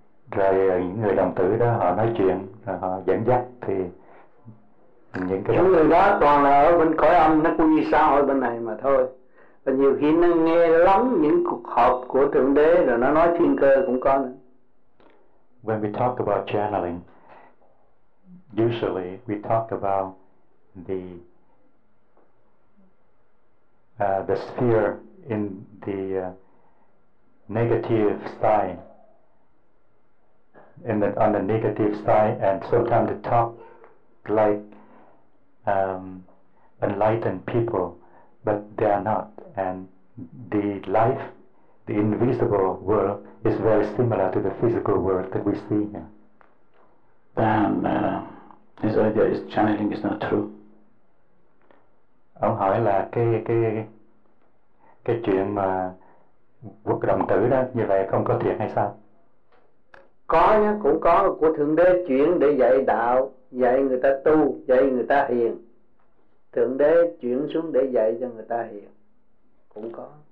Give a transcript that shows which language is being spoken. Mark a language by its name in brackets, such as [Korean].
[Vietnamese] Rồi những người đồng tử đó họ nói chuyện, rồi họ dẫn dắt thì những cái những người đó toàn là ở bên cõi âm, nó cũng như xã hội bên này mà thôi. Và nhiều khi nó nghe lắm những cuộc họp của Thượng Đế rồi nó nói thiên cơ cũng có nữa. [English] When we talk about channeling, usually we talk about the sphere in the negative side. On the negative side, and sometimes they talk like enlightened people, but they are not. And the life, the invisible world, is very similar to the physical world that we see here. Then his idea is channeling is not true. [Vietnamese] Ông hỏi là cái chuyện mà quốc đồng tử đó như vậy không có thiệt hay sao? Có nhá, cũng có, của Thượng Đế chuyển để dạy đạo, dạy người ta tu, dạy người ta hiền. Thượng Đế chuyển xuống để dạy cho người ta hiền, cũng có.